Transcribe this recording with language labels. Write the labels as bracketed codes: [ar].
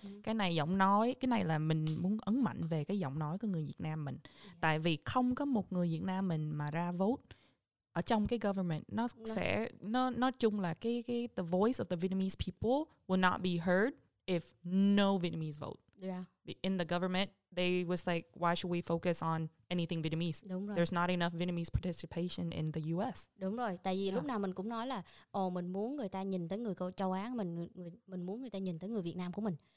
[vi] Cái này giọng nói, cái này là mình muốn ấn mạnh về cái giọng nói của người Việt Nam mình. Tại vì không có một người Việt Nam mình mà ra vote ở trong cái government, nó sẽ nói chung là cái [en] the voice of the Vietnamese people will not be heard if no Vietnamese vote. Yeah. In the government, they was like, why should we focus on anything Vietnamese? [vi] Đúng rồi. [en] There's not enough Vietnamese participation in the US. [vi] Đúng rồi, tại vì lúc nào mình cũng nói là ồ, mình muốn người ta nhìn tới người châu Á, mình muốn người ta nhìn tới người Việt Nam của mình.